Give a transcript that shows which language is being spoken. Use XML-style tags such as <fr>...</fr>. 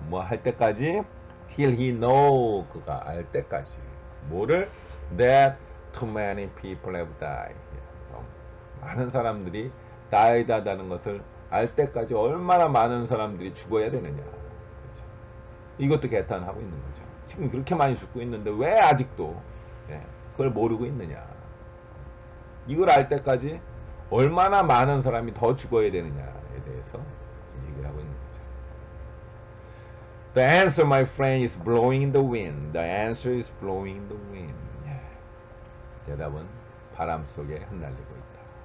<ko>뭐할 때까지</ko> <en>till he know</en> <ko>그가 알 때까지 뭐를</ko> <en>that too many people have died</en> <ko>많은 사람들이 died다는 것을 알 때까지 얼마나 많은 사람들이 죽어야 되느냐? 이것도 개탄하고 있는 거죠. 지금 그렇게 많이 죽고 있는데 왜 아직도 그걸 모르고 있느냐? 이걸 알 때까지 얼마나 많은 사람이 더 죽어야 되느냐에 대해서 지금 얘기를 하고 있는 거죠.</ko> <en>The answer, my friend, is blowing the wind. The answer is blowing the wind.</en> <ko>대답은 바람 속에 흩날리고 있다.</ko>